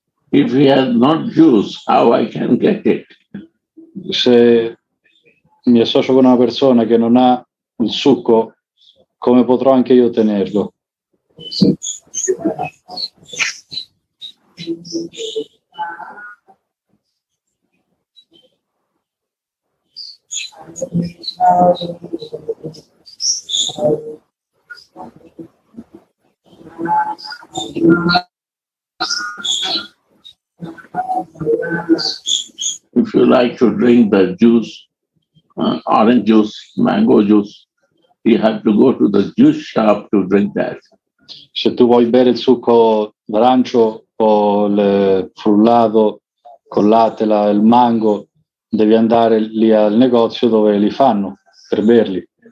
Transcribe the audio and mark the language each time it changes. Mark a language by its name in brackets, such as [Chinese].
[English] If he has not juice, how I can get it? [Italian] Se mi associo con una persona che non ha il succo, come potrò anche io ottenerlo? [English] If you like to drink the juice, orange juice, mango juice, you have to go to the juice shop to drink that. [Italian] Se tu vuoi bere il succo d'arancio o il frullato con latte, il mango, devi andare lì al negozio dove li fanno per berli.